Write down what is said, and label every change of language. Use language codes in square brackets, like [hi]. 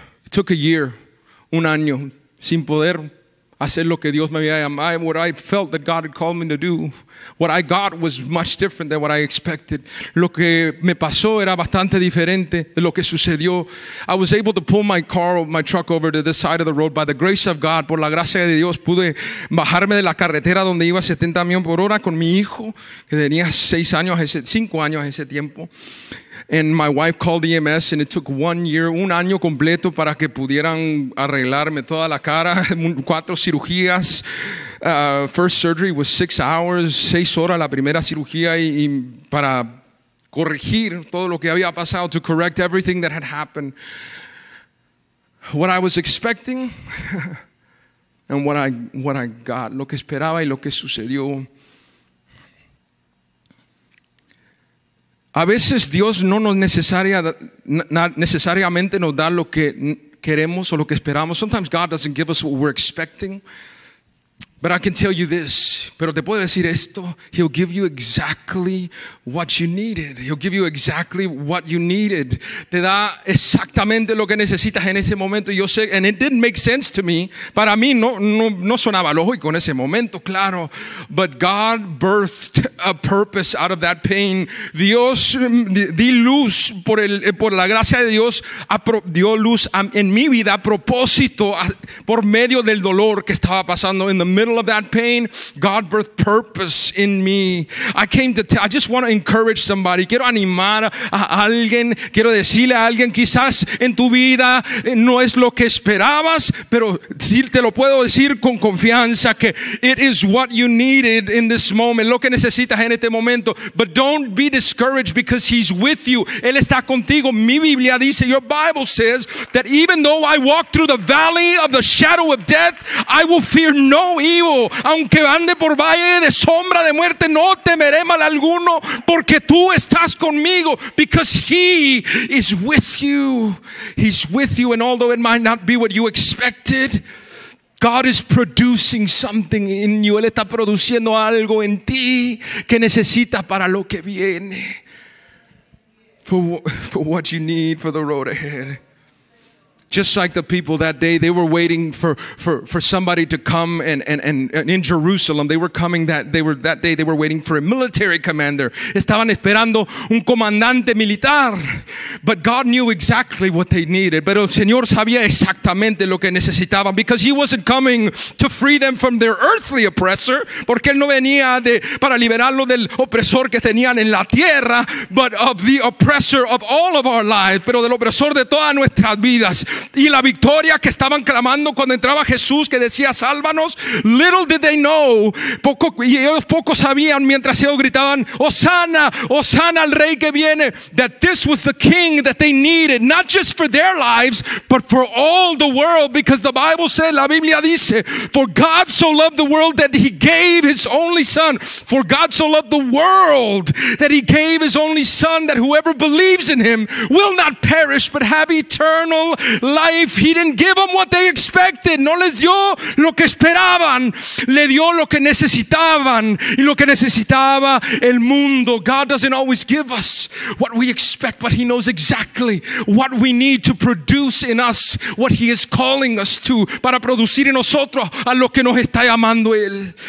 [en] Took a year, [es] un año, sin poder hacer lo que Dios me había llamado. [en] What I felt that God had called me to do, what I got was much different than what I expected. [es] Lo que me pasó era bastante diferente de lo que sucedió. [en] I was able to pull my car, my truck over to the side of the road. By the grace of God, [es] por la gracia de Dios, pude bajarme de la carretera donde iba 70 millas por hora con mi hijo, que tenía 5 años ese tiempo. [en] And my wife called EMS, and it took 1 year, [es] un año completo, para que pudieran arreglarme toda la cara. 4 cirugías. [en] First surgery was 6 hours, [es] 6 horas la primera cirugía, y para corregir todo lo que había pasado, [en] to correct everything that had happened. What I was expecting, and what I got, [es] lo que esperaba y lo que sucedió. A veces Dios no nos necesariamente nos da lo que queremos o lo que esperamos. [en] Sometimes God doesn't give us what we're expecting. But I can tell you this. [es] Pero te puedo decir esto. [en] He'll give you exactly what you needed. He'll give you exactly what you needed. [es] Te da exactamente lo que necesitas en ese momento. Yo sé, [en] and it didn't make sense to me. [es] Para mí no sonaba lógico en ese momento, claro. [en] But God birthed a purpose out of that pain. [es] Dios di luz por la gracia de Dios. Dio luz en mi vida a propósito por medio del dolor que estaba pasando. [en] In the middle of that pain, God birthed purpose in me. I just want to encourage somebody. [es] Quiero animar a alguien. Quiero decirle a alguien, quizás en tu vida no es lo que esperabas, pero te lo puedo decir con confianza que [en] it is what you needed in this moment, [es] lo que necesitas en este momento. [en] But don't be discouraged because he's with you. [es] Él está contigo. Mi Biblia dice, [en] your Bible says that even though I walk through the valley of the shadow of death, I will fear no evil. [es] Aunque ande por valle de sombra de muerte, no temeré mal alguno, porque tú estás conmigo. [en] Because he is with you. He's with you, and although it might not be what you expected, God is producing something in you. [es] Él está produciendo algo en ti que necesitas para lo que viene. [en] For what you need for the road ahead. Just like the people that day, they were waiting for somebody to come and in Jerusalem. They were waiting for a military commander. [es] Estaban esperando un comandante militar. [en] But God knew exactly what they needed. [es] Pero el Señor sabía exactamente lo que necesitaban, [en] because he wasn't coming to free them from their earthly oppressor. [es] Porque él no venía para liberarlo del opresor que tenían en la tierra, [en] but of the oppressor of all of our lives. [es] Pero del opresor de todas nuestras vidas. Y la victoria que estaban clamando cuando entraba Jesús, que decía, sálvanos. [en] Little did they know. [es] Poco sabían, mientras ellos gritaban, Hosanna, Hosanna al Rey que viene. [en] That this was the king that they needed. Not just for their lives, but for all the world. Because the Bible said, [es] la Biblia dice, [en] for God so loved the world that he gave his only son. For God so loved the world that he gave his only son, that whoever believes in him will not perish, but have eternal life. life. He didn't give them what they expected. [es] No les dio lo que esperaban. Le dio lo que necesitaban y lo que necesitaba el mundo. [en] God doesn't always give us what we expect, but he knows exactly what we need to produce in us, what he is calling us to, [es] para producir en nosotros a lo que nos está llamando él.